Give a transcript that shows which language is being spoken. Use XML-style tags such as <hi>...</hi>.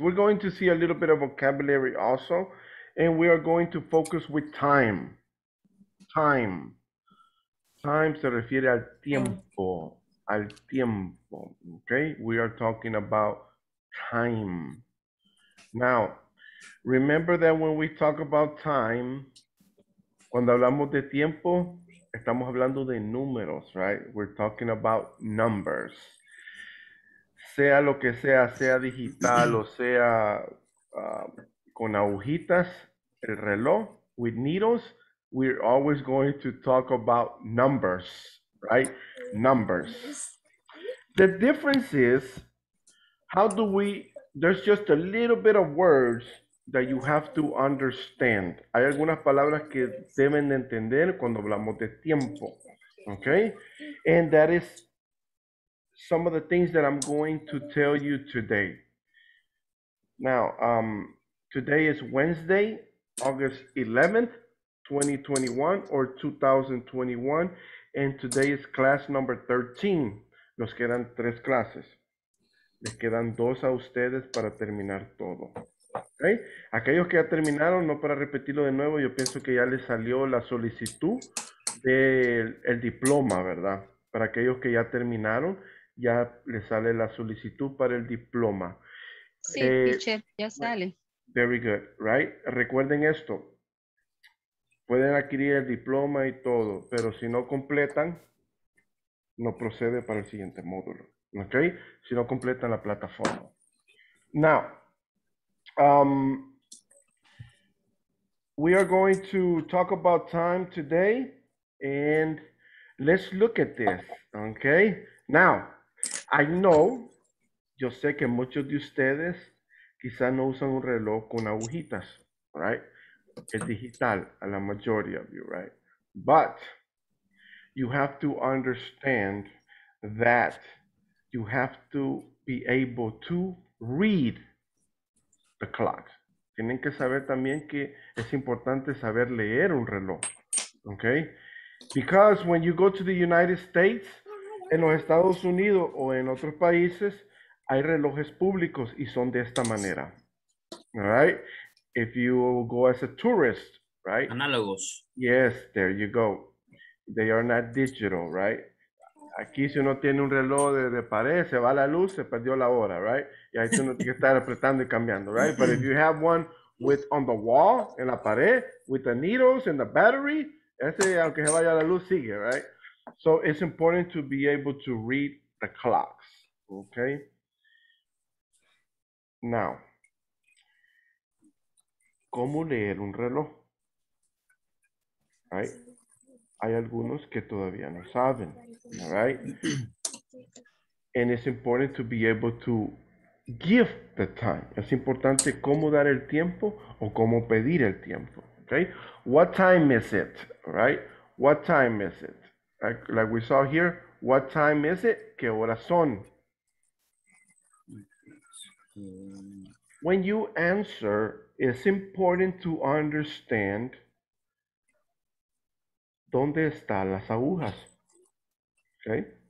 <en>We're going to see a little bit of vocabulary also, and we are going to focus with time. Time.</en> <es>Time se refiere al tiempo, al tiempo, okay?</es> <en>We are talking about time. Now, remember that when we talk about time,</en> <es>cuando hablamos de tiempo, Estamos hablando de números,</es> <en>right? We're talking about numbers.</en> <es>Sea lo que sea, sea digital o sea con agujitas, el reloj,</es> <en>with needles,</en> <es>we're always going to talk about numbers, right?</es> <en>Numbers. The difference is, how do we, there's just a little bit of words that you have to understand.</en> <es>Hay algunas palabras que deben de entender cuando hablamos de tiempo, okay?</es> <en>And that is some of the things that I'm going to tell you today. Now, today is Wednesday, August 11th, 2021 or 2021, and today is class number 13.</en> <es>Nos quedan tres clases. Les quedan dos a ustedes para terminar todo. Okay. Aquellos que ya terminaron, no para repetirlo de nuevo, yo pienso que ya les salió la solicitud del el diploma, ¿verdad? Para aquellos que ya terminaron, ya les sale la solicitud para el diploma. Sí, teacher, ya sale.</es> <en>Very good, right?</en> <es>Recuerden esto. Pueden adquirir el diploma y todo, pero si no completan, no procede para el siguiente módulo. Okay? Si no completan la plataforma.</es> <en>Now, we are going to talk about time today, and let's look at this, okay? Now, I know,</en> <es>yo sé que muchos de ustedes quizá no usan un reloj con agujitas, right? Es digital, a la mayoría</es> <en>of you,</en> <es>right?</es> <en>But you have to understand that you have to be able to read the clock.</en> <es>Tienen que saber también que es importante saber leer un reloj, okay?</es> <en>Because when you go to the United States,</en> <es>en los Estados Unidos o en otros países, hay relojes públicos y son de esta manera, all right?</es> <en>If you go as a tourist, right?</en> <es>Análogos.</es> <en>Yes, there you go. They are not digital, right?</en> <es>Aquí si uno tiene un reloj de pared, se va la luz, se perdió la hora, right? Y ahí uno tiene que estar apretando y cambiando, right?</es> <en>But if you have one with on the wall,</en> <es>en la pared,</es> <en>with the needles and the battery,</en> <es>ese aunque se vaya la luz sigue,</es> <en>right? So it's important to be able to read the clocks, okay?</en> <es>Now, ¿cómo leer un reloj? Right? Hay algunos que todavía no saben, right?</es> <en>And it's important to be able to give the time.</en> <es>Es importante cómo dar el tiempo o cómo pedir el tiempo, okay?</es> <en>What time is it, right? What time is it? Like we saw here, what time is it?</en> <es>¿Qué horas son?</es> <en>When you answer, it's important to understand</en> <es>¿dónde están las agujas?</es> <en>Okay.</en>